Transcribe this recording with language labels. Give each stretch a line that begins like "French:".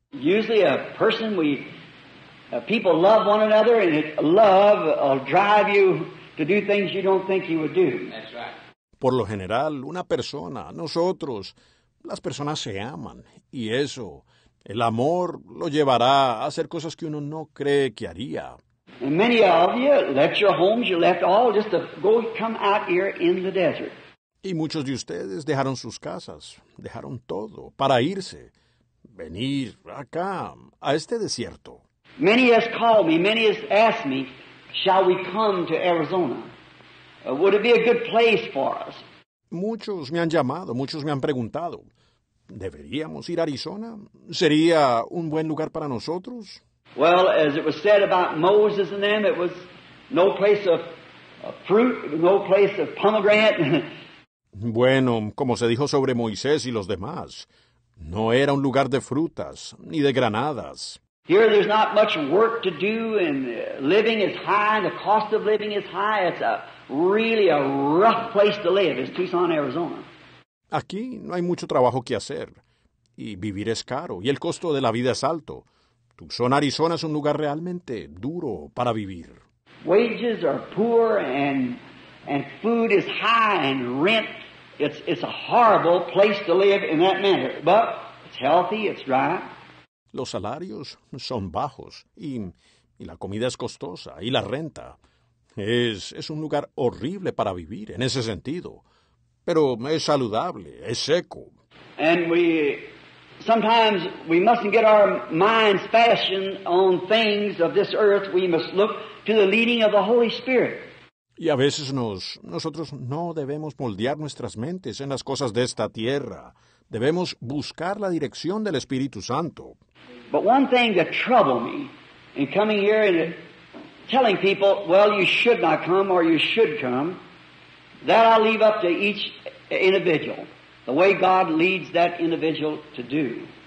English: Usually a person we People love one another, and it, love will drive you to do things you don't think you would do. That's right.
Spanish: Por lo general, una persona, nosotros, las personas se aman, y eso, el amor lo llevará a hacer cosas que uno no cree que haría.
English: And many of you left your homes, you left all just to go come out here in the desert.
Spanish: Y muchos de ustedes dejaron sus casas, dejaron todo para irse, venir acá, a este desierto.
English: Many has called me, many has asked me, shall we come to Arizona? Would it be a good place for us?
Spanish: Muchos me han llamado, muchos me han preguntado, ¿deberíamos ir a Arizona? ¿Sería un buen lugar para nosotros?
English: Well, as it was said about Moses and them, it was no place of fruit, no place of pomegranate.
Spanish: Bueno, como se dijo sobre Moisés y los demás, no era un lugar de frutas ni de granadas.
English: Here there's not much work to do, and living is high, and the cost of living is high. It's a really a rough place to live. It's Tucson, Arizona.
Spanish: Aquí no hay mucho trabajo que hacer, y vivir es caro, y el costo de la vida es alto. Tucson, Arizona es un lugar realmente duro para vivir.
English: Wages are poor, and food is high, and rent, it's a horrible place to live in that manner. But it's healthy, it's dry.
Spanish: Los salarios son bajos, y la comida es costosa, y la renta. Es un lugar horrible para vivir en ese sentido. Pero es saludable, es seco.
English: And sometimes we mustn't get our minds fastened on things of this earth. We must look to the leading of the Holy Spirit.
Spanish: Y a veces nosotros no debemos moldear nuestras mentes en las cosas de esta tierra. Debemos buscar la dirección del Espíritu Santo.
English: But one thing that troubled me in coming here and telling people, well, you should not come or you should come, that I leave up to each individual, the way God leads that individual to do.